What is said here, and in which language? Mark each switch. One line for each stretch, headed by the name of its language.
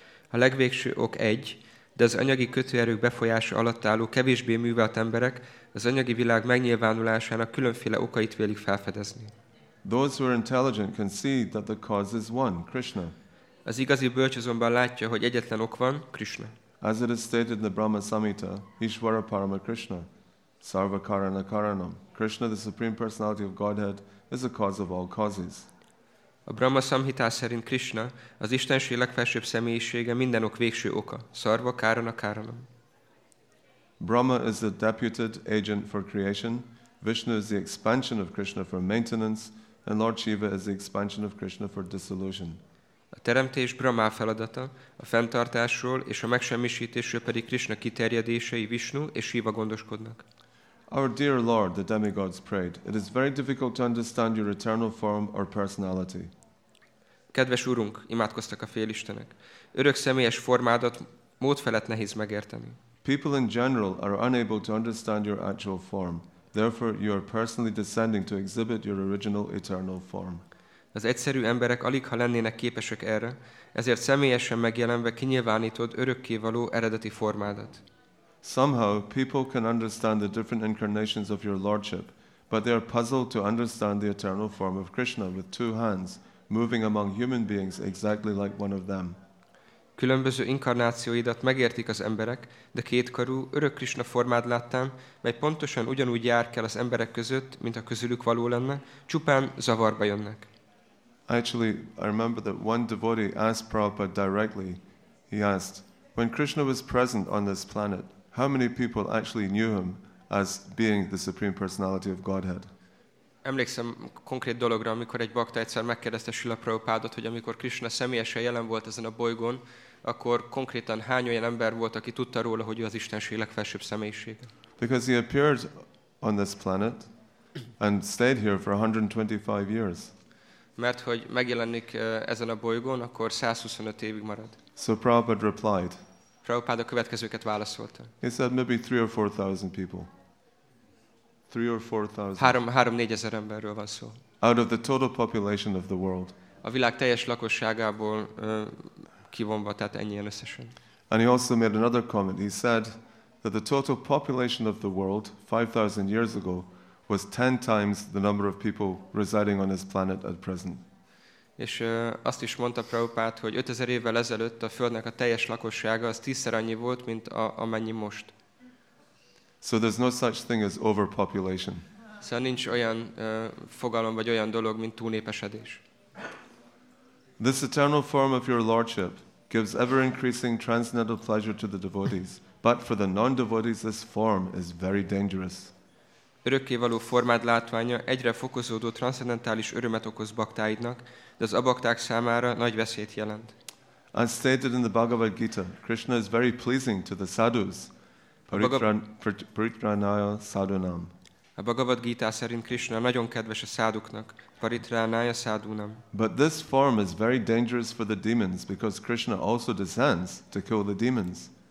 Hungarian: A legvégső ok egy, de az anyagi kötőerők befolyása alatt álló kevésbé művelt emberek az anyagi világ megnyilvánulásának különféle okait vélik felfedezni.
English: Those who are intelligent can see that the cause is one, Krishna.
Hungarian: Az igazi bölcs azonban látja, hogy egyetlen ok van, Krishna.
English: As it is stated in the Brahma Samhita,
Sanskrit: Ishvara Parama Krishna, Sarva Karana Karanam.
English: Krishna, the Supreme Personality of Godhead, is the cause of all causes.
Hungarian: A Brahma Samhita szerint Krishna, az istenség legfelsőbb személyisége, minden ok végső oka.
Sanskrit: Sarva Karana Karanam.
English: Brahma is the deputed agent for creation, Vishnu is the expansion of Krishna for maintenance, and Lord Shiva is the expansion of Krishna for dissolution.
Hungarian: A teremtés Brahma feladata, a fenntartásról és a megsemmisítésről pedig Krishna kiterjedései, Vishnu és Shiva gondoskodnak.
English: Our dear Lord, the demigods prayed, it is very difficult to understand your eternal form or personality.
Hungarian: Kedves Urunk, imádkoztak a félistenek. Örök személyes formádat mód felett nehéz megérteni.
English: People in general are unable to understand your actual form. Therefore, you are personally descending to exhibit your original eternal form.
Hungarian: Az egyszerű emberek alig ha lennének képesek erre, ezért személyesen megjelenve kinyilvánítod örökké való eredeti formádat.
English: Somehow, people can understand the different incarnations of your lordship, but they are puzzled to understand the eternal form of Krishna with two hands, moving among human beings exactly like one of them.
Hungarian: Különböző inkarnációidat megértik az emberek, de kétkarú, örök Krisna formád láttán, mely pontosan ugyanúgy jár kell az emberek között, mint a közülük való lenne, csupán zavarba jönnek.
English: Actually, I remember that one devotee asked Prabhupada directly. He asked, when Krishna was present on this planet, how many people actually knew him as being the Supreme Personality of Godhead?
Hungarian: Emlékszem konkrét dologra, amikor egy bakta egyszer megkérdezte Srila Prabhupádot, hogy amikor Krishna személyesen jelen volt ezen a bolygón, akkor konkrétan hány olyan ember volt, aki tudta róla, hogy ő az Istenség legfelsőbb személyisége?
English: Because he appeared on this planet and stayed here for 125 years.
Hungarian: Mert hogy megjelenik ezen a bolygón, akkor 125 évig marad.
English: So Prabhupada replied.
Hungarian: Prabhupada következőket válaszolta.
English: He said maybe 3,000 or 4,000 people. 3,000 or 4,000.
Hungarian: 3,000-4,000 emberről van szó.
English: Out of the total population of the world.
Hungarian: A világ teljes lakosságából kivonva, tehát ennyien összesen.
English: And he also made another comment. He said that the total population of the world 5,000 years ago was 10 times the number of people residing on this planet at present.
Hungarian: És azt is mondta Prabhupád, hogy 5000 évvel ezelőtt a Földnek a teljes lakossága az 10-szer annyi volt, mint amennyi most.
English: So there's no such thing as overpopulation.
Hungarian: Szóval nincs olyan fogalom vagy olyan dolog, mint túlnépesedés.
English: This eternal form of your lordship gives ever increasing transcendental pleasure to the devotees, but for the non-devotees this form is very dangerous.
Hungarian: Örökkévaló formád látványa egyre fokozódó transzcendentális örömet okoz baktáidnak, de az abakták számára nagy veszélyt jelent.
English: As stated in the Bhagavad Gita, Krishna is very pleasing to the sadhus,
Sanskrit: paritranaya sadhunam.
Hungarian: A Bhagavad Gita szerint Krishna nagyon kedves a száduknak,
Sanskrit: paritranaya sadhunam.
English: But this form is very dangerous for the demons, because Krishna also descends to kill the demons.